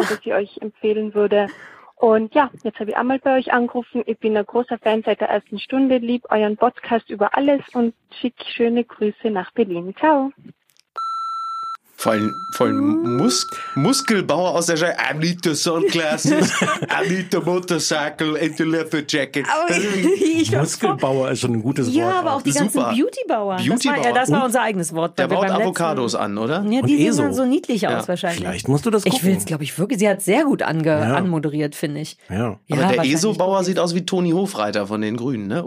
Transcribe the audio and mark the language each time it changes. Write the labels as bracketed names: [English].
[German] das ich euch empfehlen würde. Und ja, jetzt habe ich einmal bei euch angerufen. Ich bin ein großer Fan seit der ersten Stunde. Lieb euren Podcast über alles und schick schöne Grüße nach Berlin. Ciao. Voll Muskelbauer aus der Scheibe. [English] I need the sunglasses. I need the motorcycle and the leather jacket. [German] Muskelbauer ist schon ein gutes Wort. Ja, aber auch die ganzen Beautybauer. Das war unser eigenes Wort. Der baut Avocados letzten, an, oder? Ja, die sehen dann so niedlich aus wahrscheinlich. Vielleicht musst du das gucken. Ich will es, glaube ich, wirklich. Sie hat sehr gut anmoderiert, finde ich. Ja. Aber der ESO-Bauer sieht aus wie Toni Hofreiter von den Grünen, ne?